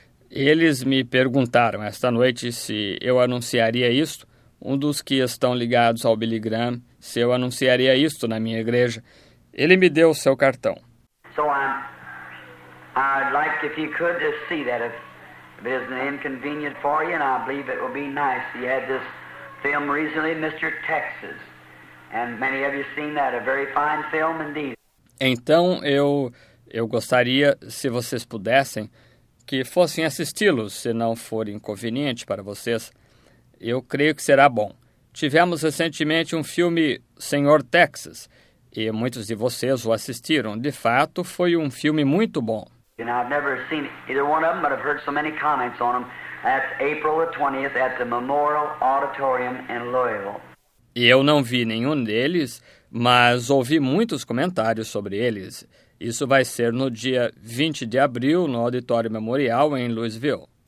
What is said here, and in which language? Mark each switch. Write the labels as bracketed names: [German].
[Portuguese] Eles me perguntaram esta noite se eu anunciaria isto, um dos que estão ligados ao Billy Graham, se eu anunciaria isto na minha igreja. Ele me deu o seu cartão. [English] So I'd like if you could just see that if it isn't inconvenient for you, and I believe it will be nice. He had this film recently, Mr. Texas, and many of you seen that, a very fine film indeed. [Portuguese] Então eu gostaria, se vocês pudessem, que fossem assisti-los, se não for inconveniente para vocês. Eu creio que será bom. Tivemos recentemente um filme Senhor Texas, e muitos de vocês o assistiram. De fato, foi um filme muito bom. [English] You know, I've never seen either one of them, but I've heard so many comments on them. That's April the 20th at the Memorial Auditorium in Louisville. [Portuguese] E eu não vi nenhum deles, mas ouvi muitos comentários sobre eles. Isso vai ser no dia 20 de abril, no Auditório Memorial, em Louisville.